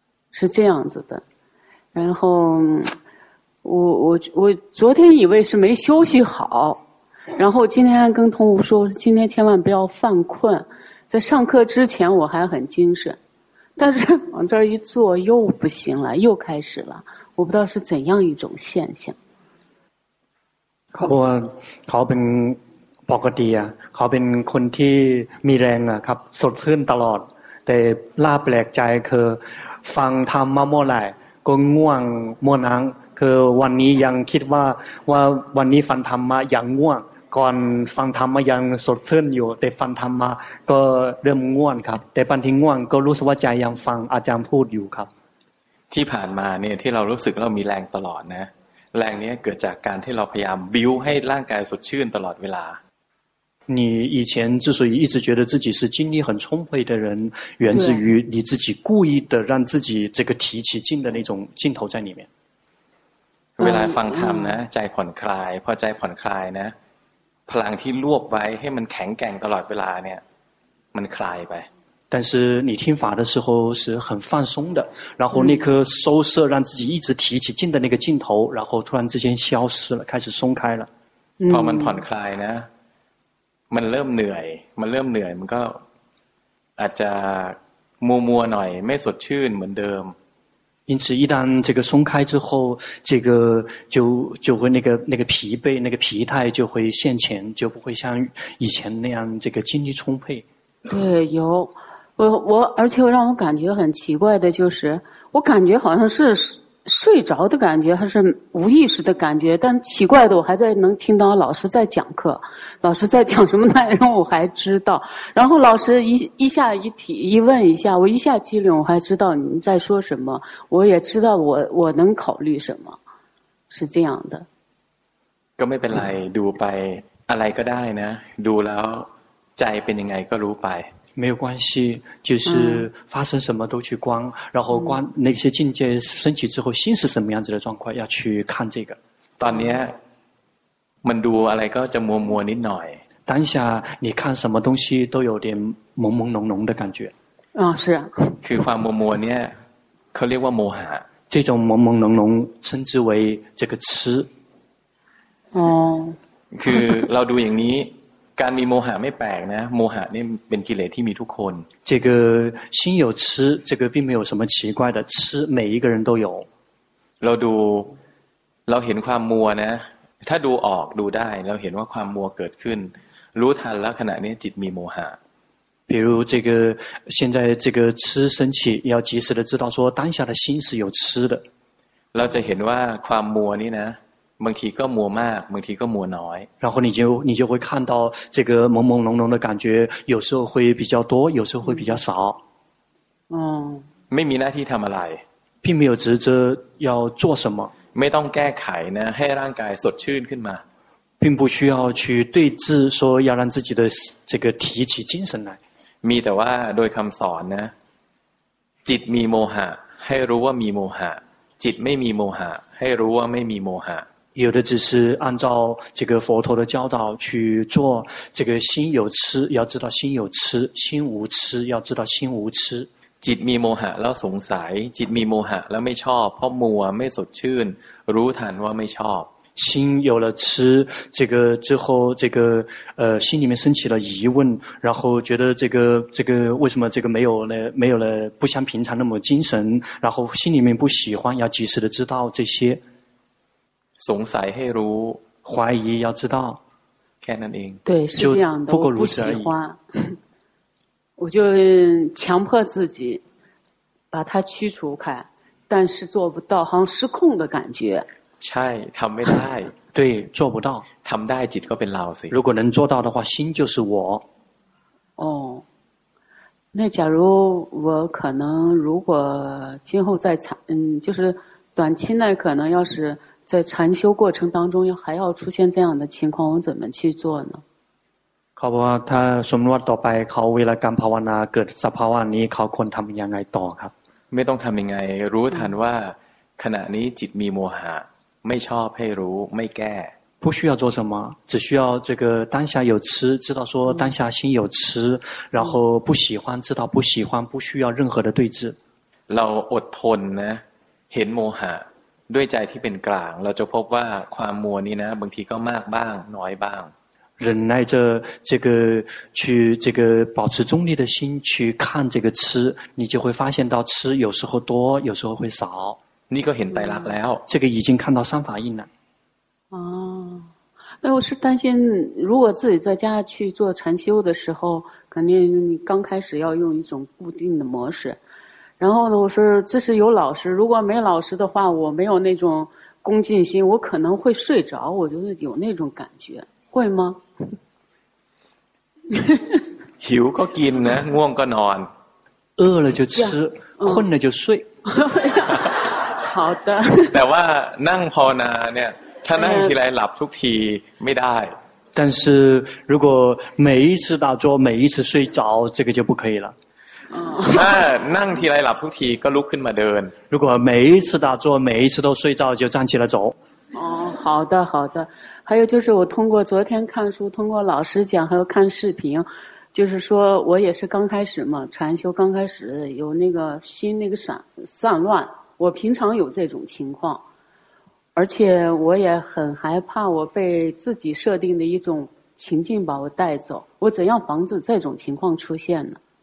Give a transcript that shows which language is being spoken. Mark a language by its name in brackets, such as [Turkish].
[Chinese] 是这样子的然后我昨天以为是没休息好然后今天跟同吴说今天千万不要犯困在上课之前我还很精神但是往这儿一坐又不行了又开始了我不知道是怎样一种现象 [Thai] เขาเป็นปกติอ่ะเขาเป็นคนที่มีแรงอ่ะครับสดชื่นตลอดแต่ล่าแปลกใจคือฟังธรรมมาเมื่อไหร่ก็ง่วงเมื่อนั้นคือวันนี้ยังคิดว่าวันนี้ฟังธรรมมายังง่วงก่อนฟังธรรมมายังสดชื่นอยู่แต่ฟังธรรมมาก็เริ่มง่วงครับแต่บางทีง่วงก็รู้สึกว่าใจยังฟังอาจารย์พูดอยู่ครับ ที่ผ่านมาเนี่ยที่เรารู้สึกเรามีแรงตลอดนะแรงนี้เกิดจากการที่เราพยายามบิ้วให้ร่างกายสดชื่นตลอดเวลา [Chinese] 你以前之所以一直觉得自己是精力很充沛的人源自于你自己故意的让自己这个提起劲的那种劲头在里面 [Thai] เวลาฟังธรรมนะใจผ่อนคลายพอใจผ่อนคลายนะพลังที่รวบไว้ให้มันแข็งแกร่งตลอดเวลาเนี่ยมันคลายไป [Chinese] 但是你听法的时候是很放松的然后那颗收摄让自己一直提起劲的那个劲头然后突然之间消失了开始松开了 [Thai] พอมันผ่อนคลายนะมันเริ่มเหนื่อยมันเริ่มเหนื่อยมันก็อาจจะมัวมัวหน่อยไม่สดชื่นเหมือนเดิม [Chinese] 因此一旦这个松开之后这个就会那个疲惫那个疲态就会现前就不会像以前那样这个精力充沛对有我而且让我感觉很奇怪的就是我感觉好像是睡着的感觉还是无意识的感觉但奇怪的我还在能听到老师在讲课老师在讲什么内容我还知道然后老师一下一提一问一下我一下机灵我还知道你们在说什么我也知道我能考虑什么是这样的 [Thai] ก็ไม่เป็นไรดูไปอะไรก็ได้นะดูแล้วใจเป็นยังไงก็รู้ไป [Chinese] 没有关系就是发生什么都去观然后观那些境界升起之后心是什么样子的状况要去看这个 [Thai] ตอนนี้มันดูอะไรก็จะมัวมัวนิดหน่อย [Chinese] 当下你看什么东西都有点朦朦胧胧的感觉啊是 [Thai] คือความมัวมัวเนี่ยเขาเรียกว่าโมหะ [Chinese] 这种朦朦胧胧称之为这个痴哦 [Thai] คือเราดูอย่างนี้การมีโมหะไม่แปลกนะโมหะนี่เป็นกิเลสที่มีทุกคน [Chinese] 这个心有痴这个并没有什么奇怪的痴每一个人都有 [Thai] เราดูเราเห็นความมัวนะ ถ้าดูออกดูได้แล้วเห็นว่าความมัวเกิดขึ้นรู้ทันแล้วขณะนี้จิตมีโมหะ [Chinese] 比如这个现在这个痴生起要及时的知道说当下的心是有痴的 [Thai] เราจะเห็นว่าความมัวนี่นะบางทีก็มัวมากบางทีก็มัวน้อย [Chinese] 然后你就会看到这个朦朦胧胧的感觉有时候会比较多有时候会比较少嗯 [Thai] ไม่มีหน้าที่ทำอะไร [Chinese] 并没有职责要做什么 [Thai] ไม่ต้องแก้ไขนะให้ร่างกายสดชื่นขึ้นมา [Chinese] 并不需要去对治说要让自己的这个提起精神来 [Thai] มีแต่ว่าโดยคำสอนนะจิตมีโมหะให้รู้ว่ามีโมหะจิตไม่มีโมหะให้รู้ว่าไม่มีโมหะ [Chinese] 有的只是按照这个佛陀的教导去做这个心有痴要知道心有痴心无痴要知道心无痴 [Thai] จิตมีโมหะแล้วสงสัยจิตมีโมหะแล้วไม่ชอบเพราะมัวไม่สดชื่นรู้ทันว่าไม่ชอบ [Chinese] 心有了痴这个之后这个心里面升起了疑问然后觉得这个为什么这个没有了不像平常那么精神然后心里面不喜欢要及时的知道这些 [Thai] สงสัยให้รู้ [Chinese] 怀疑要知道 [Thai] แค่นั้นเอง [Chinese] 对是这样的不过如此而已我不喜欢我就强迫自己把它驱除开但是做不到好像失控的感觉 [Thai] ใช่ทำไม่ได้ [Chinese] 对做不到 [Thai] ทำได้จิตก็เป็นเราสิ [Chinese] 如果能做到的话心就是我哦那假如我可能如果今后在就是短期内可能要是在禅修过程当中还要出现这样的情况我怎么去做呢 [Thai] ครับว่าถ้าสมมติว่าต่อไปเขาเวลาการภาวนาเกิดสภาวะนี้เขาควรทำยังไงต่อครับ ไม่ต้องทำยังไงรู้ทันว่าขณะนี้จิตมีโมหะไม่ชอบให้รู้ไม่แก้ [Chinese] 不需要做什么只需要这个当下有痴知道说当下心有痴然后不喜欢知道不喜欢不需要任何的对治 [Thai] เราอดทนนะเห็นโมหะด้วยใจที่เป็นกลางเราจะพบว่าความมัวนี้นะบางทีก็มากบ้างน้อยบ้าง [Chinese] 忍耐着这个去这个保持中立的心去看这个痴你就会发现到痴有时候多有时候会少 [Thai] นี่ก็เห็นไตรลักษณ์แล้ว [Chinese] 这个已经看到三法印了哦那我是担心如果自己在家去做禅修的时候肯定刚开始要用一种固定的模式然后呢我说这是有老师如果没老师的话我没有那种恭敬心我可能会睡着我就是有那种感觉会吗 [Thai] หิวก็กินนะง่วงก็นอน [Chinese] 饿了就吃困了就睡好的 [Thai] แต่ว่านั่งภาวนาเนี่ยถ้านั่งทีไรหลับทุกทีไม่ได้ [Chinese] 但是如果每一次打坐每一次睡着这个就不可以了 [Thai] ถ้านั่งทีไรหลับทุกทีก็ลุกขึ้นมาเดิน [Chinese] 如果每一次打坐每一次都睡着就站起来走好的好的还有就是我通过昨天看书通过老师讲还有看视频就是说我也是刚开始嘛禅修刚开始有那个心那个散乱我平常有这种情况而且我也很害怕我被自己设定的一种情境把我带走我怎样防止这种情况出现呢